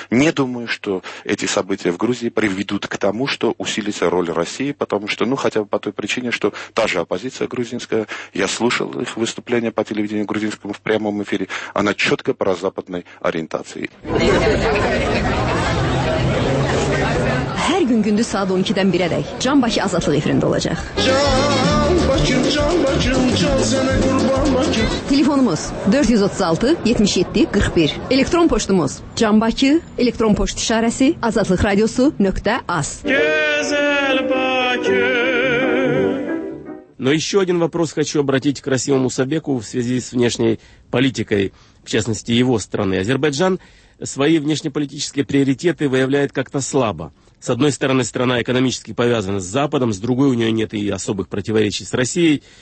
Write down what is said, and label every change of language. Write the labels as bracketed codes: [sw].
[ru] Не думаю, что эти события в Грузии приведут к тому, что усилится роль России, потому что, ну, хотя бы по той причине, что та же оппозиция грузинская, я слушал их выступления по телевидению грузинскому в прямом эфире, она четко прозападной ориентации. [az] Her gün gündüz saat 12'den 1'e dek Can Bakı Azatlık Efirinde olacak. Telefonumuz 436-77-41. Elektron poştumuz Can Bakı, elektron poşt işaresi azatlıkradyosu.az. Güzel Bakı. [ru] Но еще один вопрос хочу обратить к Расиму Мусабеку в связи с внешней политикой, в частности, его страны. Азербайджан свои внешнеполитические приоритеты выявляет как-то слабо. С одной стороны, страна экономически повязана с Западом, с другой у нее нет и особых противоречий с Россией.